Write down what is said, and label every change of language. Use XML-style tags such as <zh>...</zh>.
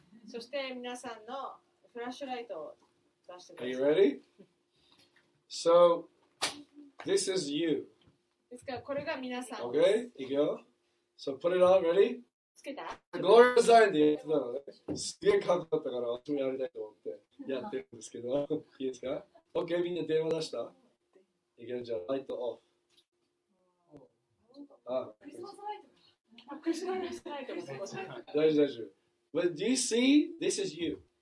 <ja>そして皆さんのフラッシュライトを出してください。</ja> <en>Are you ready? So, this is you.</en> <ja>ですからこれが皆さんです。</ja> <en>Okay, here you go. So put it on, ready?</en> <ja>つけた。 Glory Design でやってたのね。すげえかっこよかったから、私もやりたいと思ってやってるんですけど、いいですか ?Okay, みんな電話出した行けるじゃん、ライトオフ。あ、クリスマスライトか。クリスマスライトか。大丈夫、大丈夫。</ja> <en>But do you see? This is you.</en>